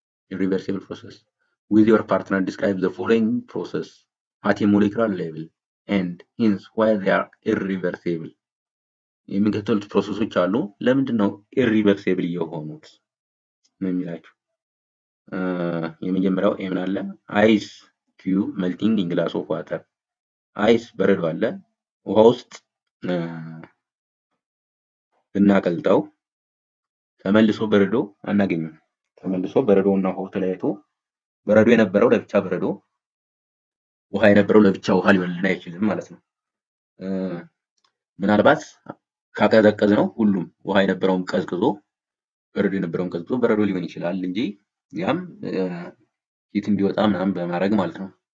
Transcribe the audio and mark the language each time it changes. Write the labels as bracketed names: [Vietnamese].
[English] irreversible process with your partner describe the following process at a molecular level and hence why they are irreversible. [Amharic] የሚከተሉት ፕሮሰሶች አሉ ለምንድን ነው irreversible የሆኑት ምን ይላችሁ? የመጀመሪያው ምን አለ? [English] ice cube melting in glass of water. [Amharic] ice በረዶ አለ ውሃ ውስጥ እናቀልጣው ተመልሶ በረዶ አናገኘው። ተመልሶ በረዶውና ውሃው ተለያይቶ በረዶ የነበረው ለብቻ በረዶ ውሃ የነበረው ለብቻ ውሃ ሊሆንልን አይችልም ማለት ነው። ምናልባት ካቀዘቀዝ ነው ሁሉም ውሃ የነበረውም ቀዝቅዞ በረዶ የነበረውም ቀዝቅዞ በረዶ ሊሆን ይችላል እንጂ ያም ሂት እንዲወጣ ምናምን በማድረግ ማለት ነው